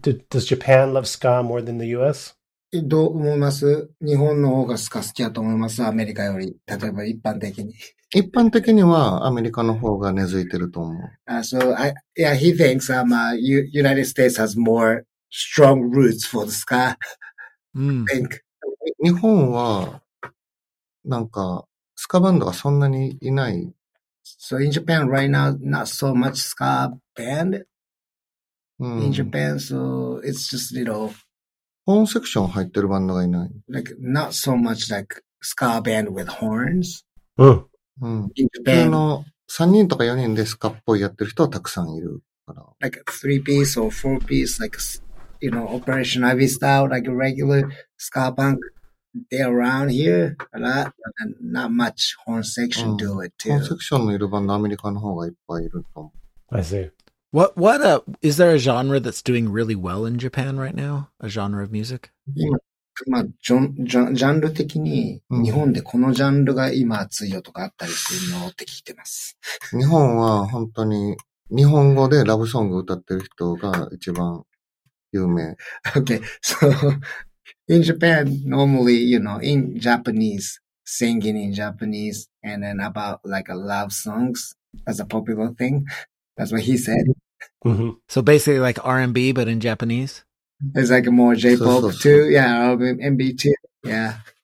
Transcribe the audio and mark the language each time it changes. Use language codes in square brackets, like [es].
[en] Does Japan love ska more than the US? [ja] どう思います？日本の方がスカ好きだと思います。アメリカより、例えば一般的に。一般的にはアメリカの方が根付いてると思う。 [en] He thinks United States has more strong roots for the ska. Think. [ja] 日本はなんかスカバンドがそんなにいない。 [en] So in Japan right now, not so much ska band. In Japan, so it's just little. [ja] Horn section 入ってるバンドがいない。 [en] Like, not so much like ska band with horns. In Japan. [ja] 普通の3人とか4人でスカっぽいやってる人はたくさんいるから。 [en] Like three piece or four piece, like, you know, Operation Ivy style, like regular ska punk. They're around here a lot, but not much horn section do it too. [ja] Horn section のいるバンド、アメリカの方がいっぱいいると思う。 [en] I see. What is there a genre that's doing really well in Japan right now? A genre of music? [ja] 今、まあ、ジャンル的に、日本でこのジャンルが今熱いよとかあったりするのって聞いてます。日本は本当に、日本語でラブソング歌ってる人が一番有名。 [en] Okay, so... In Japan, normally, you know, in Japanese, singing in Japanese, and then about like a love songs as a popular thing. That's what he said. Mm-hmm. So basically like R&B, but in Japanese? It's like more J-pop too. Yeah, R&B too. Yeah.